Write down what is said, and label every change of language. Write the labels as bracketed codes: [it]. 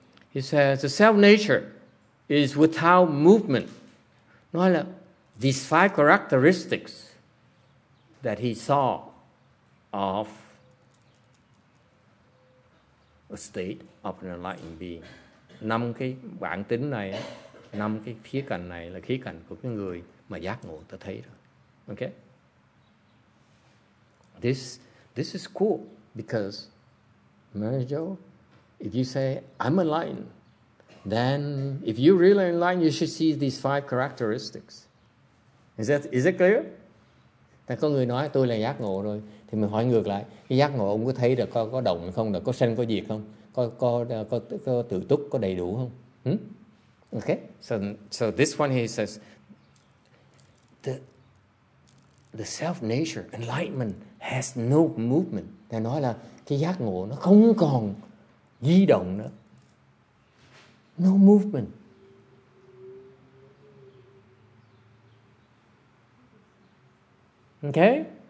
[en] He says the self nature is without movement. [vi] Nói là [en] these five characteristics that he saw of a state of an enlightened being. [vi] Năm cái bản tính này, năm cái khía cạnh này là khía cạnh của cái người mà giác ngộ ta thấy rồi. [en] Okay? This is cool because Mary Jo, if you say I'm enlightened, then if you really enlightened, you should see these five characteristics. Is that clear? [vi] Ta có người nói tôi là giác ngộ rồi thì mình hỏi ngược lại, cái giác ngộ ông có thấy được có động không, được có sanh có diệt không? Có tự túc có đầy đủ không? Okay? [en] So this one he says the self nature enlightenment has no movement. [vi] Ta nói là cái giác ngộ nó không còn di động nữa. [en] No movement. Okay?